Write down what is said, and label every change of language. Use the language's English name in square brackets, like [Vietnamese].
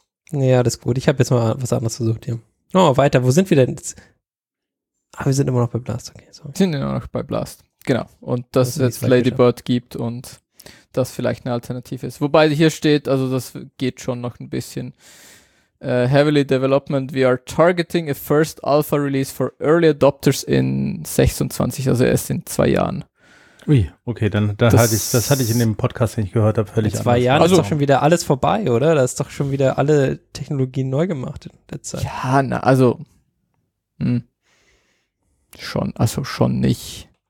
[German] Ja, das ist gut. Ich habe jetzt mal was anderes versucht hier. Oh, weiter, wo sind wir denn jetzt? Ah, wir sind immer noch bei Blast, okay. Sorry. Sind immer noch bei Blast, genau. Und dass es jetzt Lady Bird gibt und das vielleicht eine Alternative ist. Wobei hier steht, also das geht schon noch ein bisschen. [English] Heavily Development, we are targeting a first Alpha Release for early adopters in 26, [German] also erst in 2 Jahren. Ui, okay, dann hatte ich in dem Podcast, den ich gehört habe, völlig anders. In 2 Jahren ist doch schon wieder alles vorbei, oder? Da ist doch schon wieder alle Technologien neu gemacht in der Zeit. Ja, na, also schon nicht.